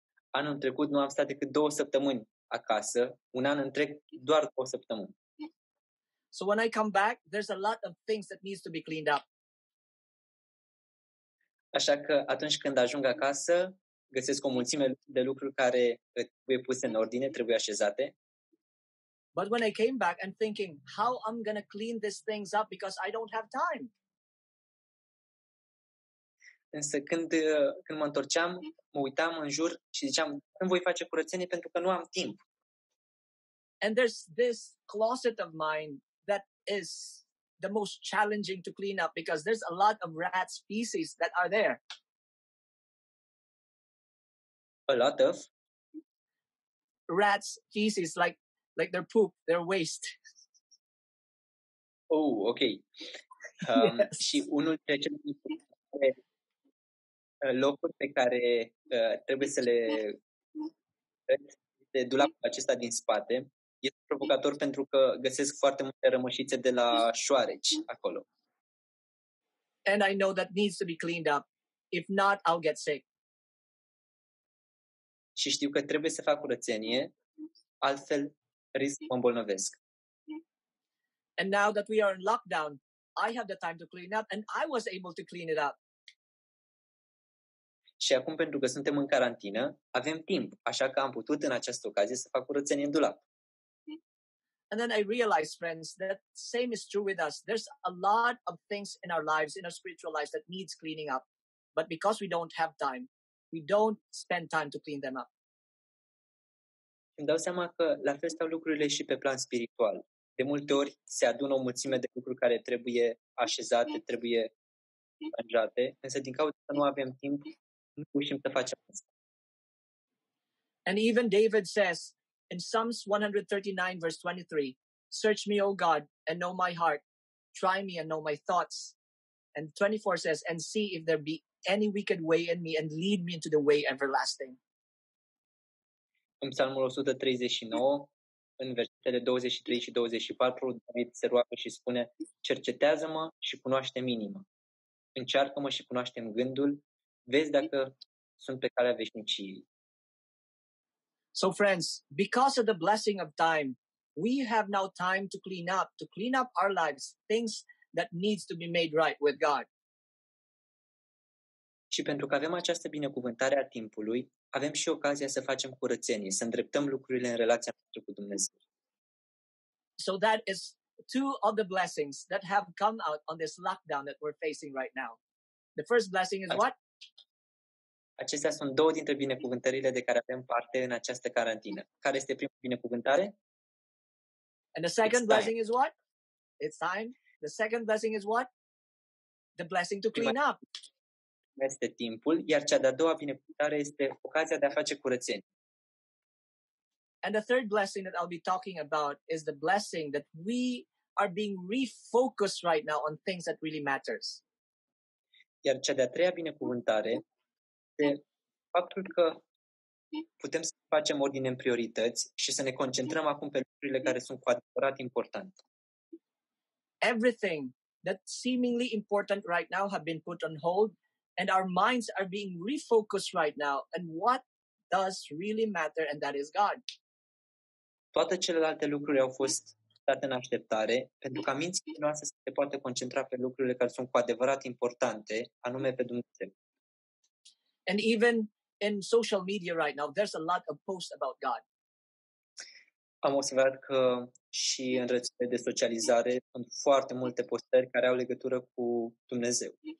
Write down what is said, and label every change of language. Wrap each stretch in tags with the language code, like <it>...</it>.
<ro>Anul trecut nu am stat decât 2 săptămâni acasă, un an întreg doar 2 săptămâni.</ro> <en>So when I come back, there's a lot of things that needs to be cleaned up.</en> <ro>Așa că atunci când ajung acasă, găsesc o mulțime de lucruri care trebuie puse în ordine, trebuie așezate.</ro> <en>But when I came back, I'm thinking, how I'm going to clean these things up because I don't have time.</en> <ro>Însă când mă întorceam, mă uitam în jur și ziceam, cum voi face curățenie pentru că nu am timp.</ro> <en>And there's this closet of mine that is the most challenging to clean up because there's a lot of rat species that are there. A lot of? Rat species, like their poop, their waste. Oh, okay. Yes.</en> <ro>Și unul dintre cele mai importante locuri pe care trebuie să le de dulapul acesta din spate este provocator pentru că găsesc foarte multe rămășițe de la șoareci acolo.</ro> <en>And I know that needs to be cleaned up. If not, I'll get sick.</en> <ro>Și știu că trebuie să fac curățenie, altfel risc să mă îmbolnăvesc.</ro> <en>And now that we are in lockdown, I have the time to clean up and I was able to clean it up.</en> <ro>Și acum pentru că suntem în carantină, avem timp, așa că am putut în această ocazie să fac curățenie în dulap.</ro> <en>And then I realized, friends, that same is true with us. There's a lot of things in our lives, in our spiritual lives that needs cleaning up, but because we don't have time, we don't spend time to clean them up.</en> <ro>Îmi dau seama că la fel stau lucrurile și pe plan spiritual. De multe ori se adună o mulțime de lucruri care trebuie așezate, trebuie aranjate, însă din cauza că nu avem timp, nu reușim să facem asta.</ro> <en>And even David says in Psalms 139 verse 23, search me, O God, and know my heart. Try me and know my thoughts. And 24 says, and see if there be any wicked way in me and lead me into the way everlasting.</en> <ro>În Psalmul 139, în versetele 23 și 24, David se roagă și spune, cercetează-mă și cunoaște-mi inima. Încearcă-mă și cunoaște-mi gândul. Vezi dacă sunt pe calea veșniciei.</ro> <en>So friends, because of the blessing of time, we have now time to clean up our lives, things that needs to be made right with God.</en> <ro>Și pentru că avem această binecuvântare a timpului, avem și ocazia să facem curățenie, să îndreptăm lucrurile în relația noastră cu Dumnezeu.</ro> <en>So that is two of the blessings that have come out on this lockdown that we're facing right now. The first blessing is what?</en> <ro>Acestea sunt două dintre binecuvântările de care avem parte în această carantină. Care este prima binecuvântare?</ro> <en>And the second blessing is what? It's time. The second blessing is what? The blessing to clean up.</en> <ro>Este timpul, iar cea de-a doua binecuvântare este ocazia de a face curățenie.</ro> <en>And the third blessing that I'll be talking about is the blessing that we are being refocused right now on things that really matters.</en> <ro>Iar cea de-a treia binecuvântare este faptul că putem să facem ordine în priorități și să ne concentrăm acum pe lucrurile care sunt cu adevărat importante.</ro> <en>Everything that seemingly important right now have been put on hold. And our minds are being refocused right now. And what does really matter? And that is God.</en> <ro>Toate celelalte lucruri au fost date în așteptare, pentru ca mințile noastre să se poată concentra pe lucrurile care sunt cu adevărat importante, anume pe Dumnezeu.</ro> <en>And even in social media right now, there's a lot of posts about God.</en> <ro>Am observat că și în rețelele de socializare sunt foarte multe postări care au legătură cu Dumnezeu.</ro>